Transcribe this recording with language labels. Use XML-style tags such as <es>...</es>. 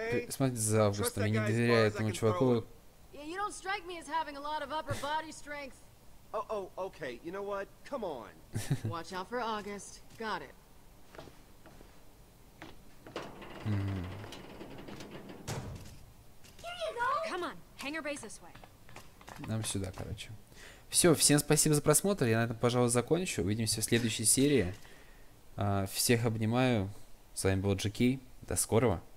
<ru>Смотрите за Августом. Я не доверяю этому чуваку.</ru> <en>You don't strike me as having a lot of upper body strength. Oh, okay. You know what? Come on. Watch out for August. Got it. Here you go. Come on. Hangar base this way.</en> <ru>Нам сюда, короче. Все, всем спасибо за просмотр. Я на этом, пожалуй, закончу. Увидимся в следующей серии. Всех обнимаю. С вами был GK. До скорого.</ru>